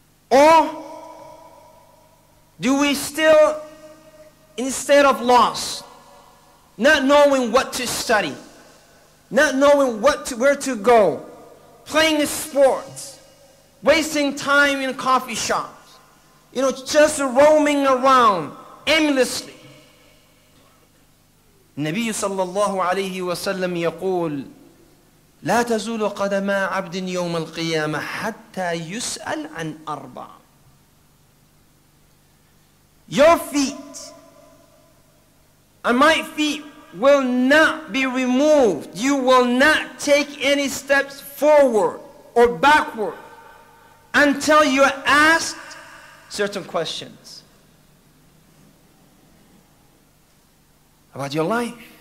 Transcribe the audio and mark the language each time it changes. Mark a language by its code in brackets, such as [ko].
[en] Or do we still, instead of loss, not knowing what to study, not knowing where to go, playing sports, wasting time in coffee shops, you know, just roaming around aimlessly? [ar] Nabi sallallahu alayhi wa sallam yaqul, لا تزول قدما عبد يوم القيامة حتى يسأل عن أربع. [en] Your feet and my feet will not be removed. You will not take any steps forward or backward until you are asked certain questions about your life.